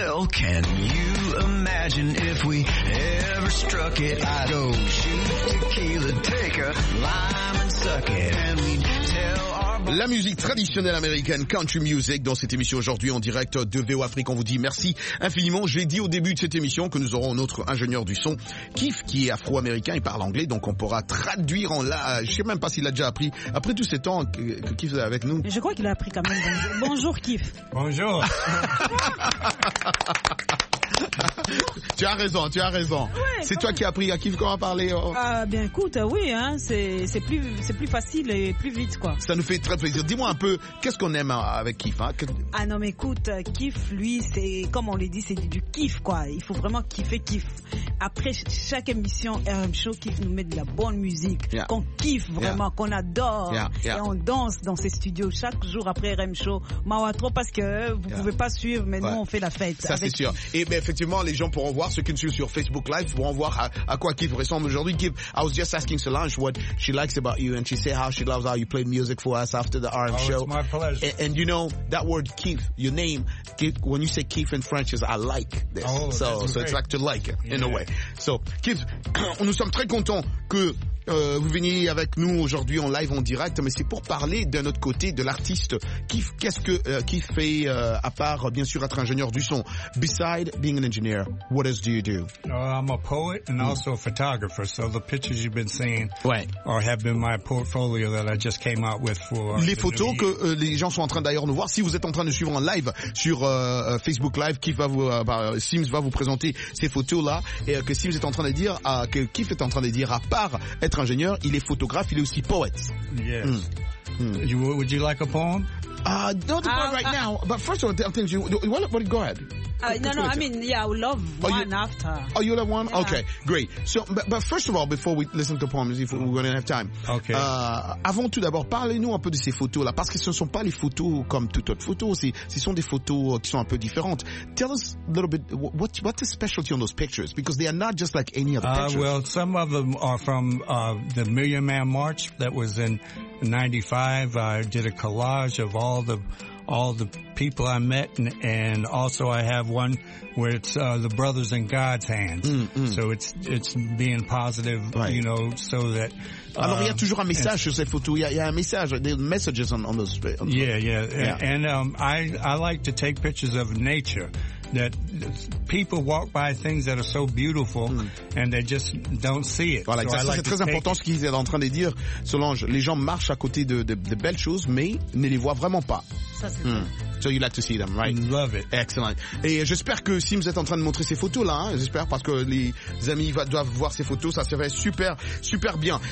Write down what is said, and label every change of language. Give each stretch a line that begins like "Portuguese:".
English: Can you imagine if we ever struck it? I'd go shoot tequila, take a lime and suck it, and we'd tell.
French: La musique traditionnelle américaine, country music, dans cette émission aujourd'hui en direct de VO Afrique. On vous dit merci infiniment. J'ai dit au début de cette émission que nous aurons notre ingénieur du son, Kif, qui est afro-américain et parle anglais, donc on pourra traduire en la... Je sais même pas s'il a déjà appris. Après tout ce temps que Kif est avec nous. Je crois qu'il a appris quand même. Bonjour Kif. Bonjour. Tu as raison. Ouais, c'est toi qui as appris à qui qu'on va parler. Ah bien écoute, oui, hein, c'est plus facile et plus vite quoi. Ça nous fait très plaisir. Dis-moi un peu, qu'est-ce qu'on aime avec Kif, hein? Ah non mais écoute, Kif lui, c'est comme on le dit, c'est du kiff quoi. Il faut vraiment kiffer Kif. Après chaque émission RM Show, Kif nous met de la bonne musique, yeah, qu'on kiffe vraiment, yeah, qu'on adore,
English: yeah. Yeah.
French: Et on danse dans ses studios chaque jour après RM Show. Mawatro, parce que vous, yeah, pouvez pas suivre, mais ouais, nous on fait la fête. Ça c'est sûr. Kif. Et ben effectivement, les gens pourront voir, ceux qui nous suivent sur Facebook Live pourront voir à quoi Kif ressemble aujourd'hui.
English: Kif, I was just asking Solange what she likes about you, and she said how she loves how you play music for us after the RM show. Oh, it's my pleasure. And you know, that word Kif, your name, Kif, when you say Kif in French, is I like this. Oh, so great. So it's like to like, yeah, in a way.
French: So, Kif, nous sommes très contents que vous veniez avec nous aujourd'hui en live, en direct, mais c'est pour parler d'un autre côté de l'artiste. Kif, qu'est-ce que Kif fait à part, bien sûr, être ingénieur du son?
English: Beside being an engineer, what else do you do? I'm a poet and also a photographer, so the pictures you've been seeing,
French: ouais,
English: are, have been my portfolio that I just came out with for...
French: Les photos que les gens sont en train d'ailleurs nous voir, si vous êtes en train de suivre en live sur Facebook Live, Kif va vous, Sims va vous présenter ces photos-là, et que Sims est en train de dire, que Kif est en train de dire, à part être ingénieur, il est photographe, il est aussi poète.
English: Yes. You, would you like a poem? Not a poem right now, but first of all, I'll tell you, what, go ahead. I mean, yeah, I would love after. Oh, you love one? Yeah. Okay, great. So, but first of all, before we listen to poems, if we're going to have time. Okay.
French: Avant tout d'abord, parlez-nous un peu de ces photos-là, parce que ce ne sont pas les photos comme toute autre photo, ce sont des photos qui sont un peu différentes.
English: Tell us a little bit, what's the specialty on those pictures? Because they are not just like any other pictures. Well, some of them are from the Million Man March that was in 95. I did a collage of all the people I met, and also I have one where it's the brothers in God's hands. So it's being positive, right, you know, so that...
French: Alors, il y a toujours un message sur ces photos. Il y a un message, des messages
English: on those... Yeah. And I like to take pictures of nature. That people walk by things that are so beautiful and they just don't see it.
French: Voilà, so ça c'est très important ce qu'il est en train de dire, Solange. Les gens marchent à côté de belles choses, mais ne les voient vraiment pas. Ça c'est
English: ça. So you like to see them, right? Love it. Excellent.
French: Et j'espère que Sims est en train de montrer ces photos là, hein, j'espère, parce que les amis doivent voir ces photos, ça serait super, super bien.